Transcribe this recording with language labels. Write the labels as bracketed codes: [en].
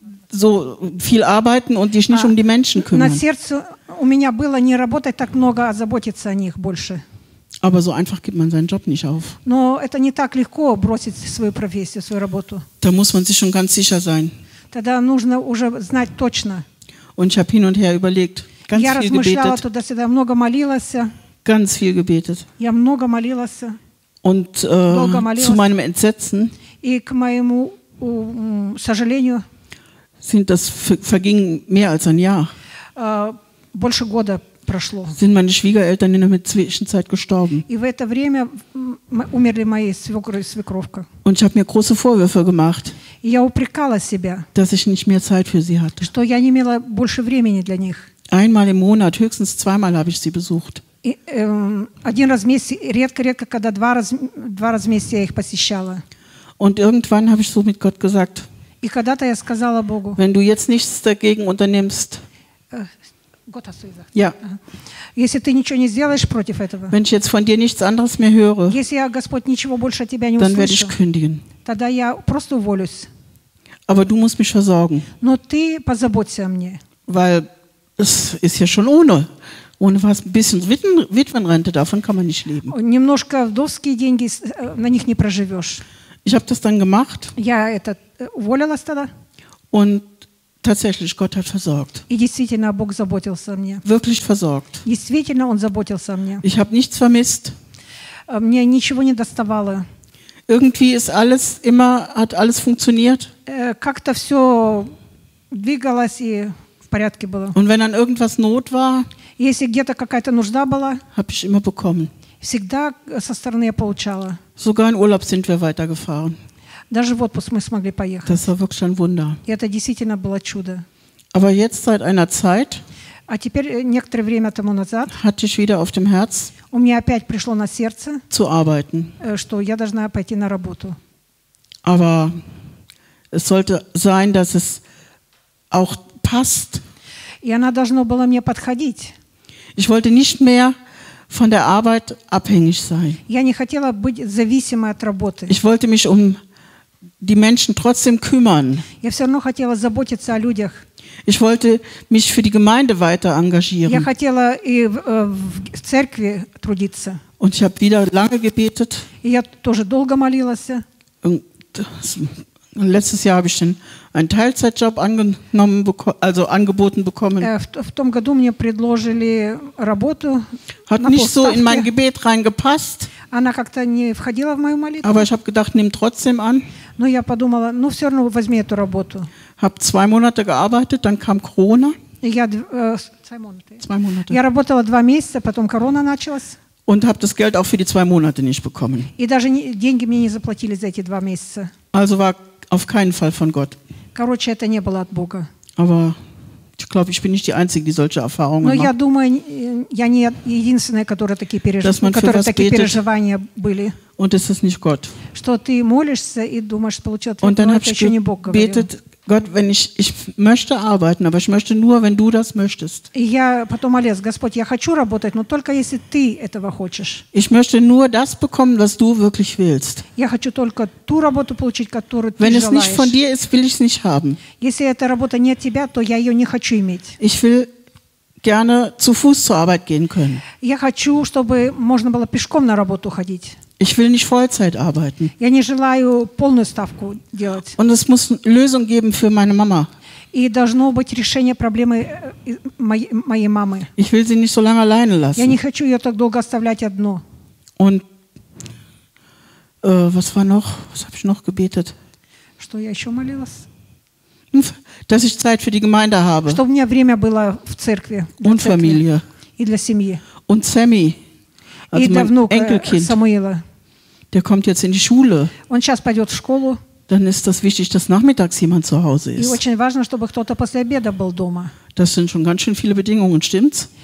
[de] so viel arbeiten und dich nicht um die Menschen kümmern. [ru] На сердце у меня было не работать так много, а заботиться о них больше. [de] Aber so einfach gibt man seinen Job nicht auf. [ru] Но это не так легко бросить свою профессию, свою работу. [de] Da muss man sich schon ganz sicher sein. [ru] Тогда нужно уже знать точно. [de] Und ich habe hin und her überlegt, ganz [ru] я [de] viel gebetet. [ru] Я размышляла туда-сюда, много молилась. [de] Ganz viel gebetet. [ru] Я много молилась. [de] Und [ru] молилась. [de] Zu meinem Entsetzen. [ru] И к моему сожалению. [de] Sind das verging mehr als ein Jahr. [ru] Больше года прошло. [de] Sind meine Schwiegereltern in der Zwischenzeit gestorben. [ru] И в это время умерли мои свекры и свекровка. [de] Und ich habe mir große Vorwürfe gemacht. [ru] И я упрекала себя. [de] Dass ich nicht mehr Zeit für sie hatte. [ru] Что я не имела больше времени для них. [de] Einmal im Monat, höchstens zweimal habe ich sie besucht. [ru] И, один раз в месяц, редко-редко, когда два раза в месяц я их посещала. [de] Und irgendwann habe ich so mit Gott gesagt. [ru] И когда-то я сказала Богу. [de] Wenn du jetzt nichts dagegen unternimmst. Gott hast du gesagt. Ja. [ru] Если ты ничего не сделаешь против этого. [de] Wenn ich jetzt von dir nichts anderes mehr höre. [ru] Если я, Господь, ничего больше от тебя не [de] dann [ru] услышу. [de] Werde ich kündigen. [ru] Тогда я просто уволюсь. [de] Aber du musst mich versorgen. [ru] Но ты позаботься о мне. [de] Weil es ist ja schon ohne was ein bisschen Witwenrente davon kann man nicht leben. Und [ru] немножко вдовские деньги на них не проживешь. [de] Ich habe das dann gemacht. [ru] Я это уволилась тогда. [de] Und tatsächlich, Gott hat versorgt. [ru] И действительно, Бог заботился о мне. [de] Wirklich versorgt. [ru] Действительно, Он заботился о мне. [de] Ich habe nichts vermisst. [ru] Мне ничего не доставало. [de] Irgendwie ist alles immer, hat alles funktioniert. [ru] Как-то все двигалось и в порядке было. [de] Und wenn dann irgendwas Not war, [ru] если где-то какая-то нужда была, [de] habe ich immer bekommen. [ru] Всегда со стороны я получала. [de] Sogar in Urlaub sind wir weitergefahren. [ru] Даже в отпуск мы смогли поехать. [de] Das war wirklich ein Wunder. [ru] И это действительно было чудо. [de] Aber jetzt seit einer Zeit. [ru] А теперь некоторое время тому назад. [de] Hatte ich wieder auf dem Herz. [ru] У меня опять пришло на сердце. [de] Zu arbeiten. [ru] Что я должна пойти на работу. [de] Aber es sollte sein, dass es auch passt. [ru] И она должна была мне подходить. [de] Ich wollte nicht mehr von der Arbeit abhängig sein. [ru] Я не хотела быть зависимой от работы. [de] Ich wollte mich um die Menschen trotzdem kümmern. [ru] Я все равно хотела заботиться о людях. [de] Ich wollte mich für die Gemeinde weiter engagieren. [ru] Я хотела и в церкви трудиться. [de] Und ich habe wieder lange gebetet. [ru] И я тоже долго молилась. [de] Und Und letztes Jahr habe ich einen Teilzeitjob angenommen, also angeboten bekommen. [ru] В том году мне предложили работу. [de] Hat nicht so in mein Gebet reingepasst. [ru] Она как-то не входила в мою молитву. [de] Aber ich habe gedacht, nimm trotzdem an. [ru] Но я подумала, ну все равно возьми эту работу. [de] Hab 2 Monate gearbeitet, dann kam Corona. Zwei Monate. [ru] Я работала 2 месяца, потом Corona началась. [de] Und habe das Geld auch für die 2 Monate nicht bekommen. [ru] И даже деньги мне не заплатили за эти 2 месяца. [de] Also war auf keinen Fall von Gott. [ru] Короче, это не было от Бога. [de] Aber ich glaube, ich bin nicht die Einzige, die solche Erfahrungen [ru] Но [de] macht. [ru] Но я думаю, я не единственная, которая такие переживания были. [de] Und es ist nicht Gott. [ru] Что ты молишься и думаешь, получил ответ, но это еще не Бог говорил. [de] Betet, Gott, wenn ich möchte arbeiten, aber ich möchte nur, wenn du das möchtest. [ru] Я потом молилась, Господь, я хочу работать, но только если ты этого хочешь. [de] Ich möchte nur das bekommen, was du wirklich willst. [ru] Я хочу только ту работу получить, которую ты желаешь. [de] Wenn es nicht von dir ist, will ich es nicht haben. [ru] Если эта работа не от тебя, то я ее не хочу иметь. [de] Ich will gerne zu Fuß zur Arbeit gehen können. [ru] Я хочу, чтобы можно было пешком на работу ходить. [de] Ich will nicht Vollzeit arbeiten. [ru] Я не желаю полную ставку делать. [de] Und es muss Lösung geben für meine Mama. [ru] И должно быть решение проблемы моей мамы. [de] Ich will sie nicht so lange alleine lassen. [ru] Я не хочу ее так долго оставлять одну. [de] Und was war noch? Was habe ich noch gebetet? [ru] Что я еще молилась? [de] Dass ich Zeit für die Gemeinde habe. [ru] Чтобы у меня время было в церкви. [de] Und Familie. [ru] И для семьи. [de] Und Sammy. Also mein Enkelkind, Samuela, der kommt jetzt in die Schule. Und [ru] сейчас пойдет в школу. [de] Dann ist das wichtig, dass nachmittags jemand zu Hause ist. [ru] И очень важно, чтобы кто-то после обеда был дома. [de] Das sind schon ganz schön viele Bedingungen, stimmt's?